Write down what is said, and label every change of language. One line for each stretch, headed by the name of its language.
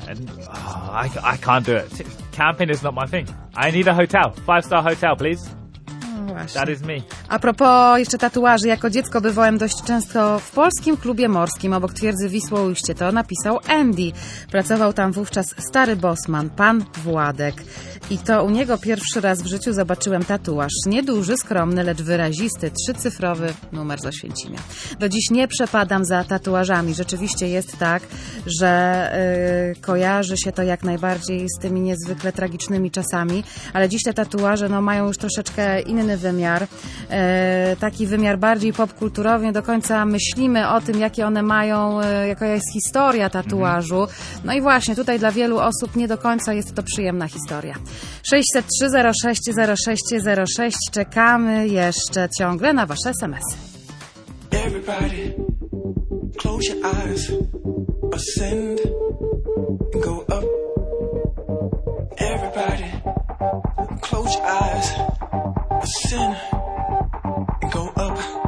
English: And, I can't do it. Camping is not my thing. I need a hotel. 5-star hotel, please. Oh, well.
Polish: Właśnie.
English: That is me.
Polish: A propos jeszcze tatuaży, jako dziecko bywałem dość często w polskim klubie morskim obok twierdzy Wisłoujście, to napisał Andy. Pracował tam wówczas stary bossman, pan Władek. I to u niego pierwszy raz w życiu zobaczyłem tatuaż. Nieduży, skromny, lecz wyrazisty, trzycyfrowy numer z Oświęcimia. Do dziś nie przepadam za tatuażami. Rzeczywiście jest tak, że kojarzy się to jak najbardziej z tymi niezwykle tragicznymi czasami, ale dziś te tatuaże no, mają już troszeczkę inny wymiar. Taki wymiar bardziej popkulturowy. Nie do końca myślimy o tym, jakie one mają, jaka jest historia tatuażu. No i właśnie, tutaj dla wielu osób nie do końca jest to przyjemna historia. 603-06-06-06. Czekamy jeszcze ciągle na wasze SMS.
English: Everybody, close your eyes, ascend and go up. Everybody, close your eyes, ascend and go up.